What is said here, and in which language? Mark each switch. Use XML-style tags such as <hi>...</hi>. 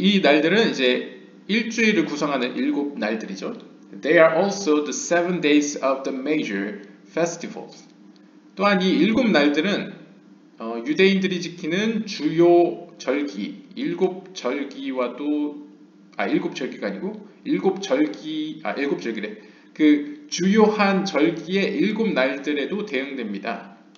<ko>이 날들은 이제 일주일을 구성하는 일곱 날들이죠.</ko> <en>They are also the seven days of the major festivals.</en> <ko>또한 이 일곱 날들은 유대인들이 지키는 주요 절기, 일곱 절기와도 아, 일곱 절기가 아니고 일곱 절기래. 그 주요한 절기의 일곱 날들에도 대응됩니다.</ko>